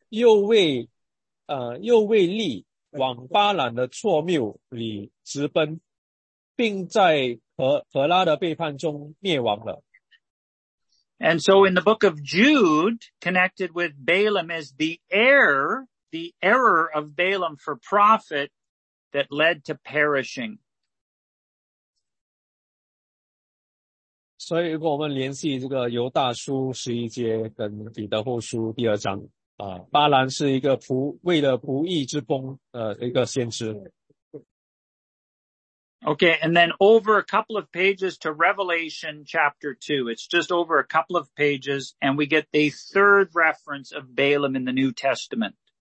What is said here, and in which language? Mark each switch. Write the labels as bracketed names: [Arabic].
[English] Verse 11，Verse 11，Can you read that to them, Kenneth? Read that to them. Yeah, okay. [Chinese] 我们现在去犹大书，就是再翻前面几篇了，就是犹大书只有一章啊，犹大书十一节，我们一起读犹大书十一节。他们有祸了，因为走了该隐的道路，又为利。往巴兰的错谬里直奔，并在何拉的背叛中灭亡了。And [English] so in the book of Jude, connected with Balaam is the error of Balaam for profit that led to perishing. [Chinese] 所以如果我们联系这个犹大书十一节跟彼得后书第二章。巴兰是一个不义之风，一个先知。Okay, [English] and then over a couple of pages to Revelation chapter 2. It's just over a couple of pages, and we get a third reference of Balaam in the New Testament.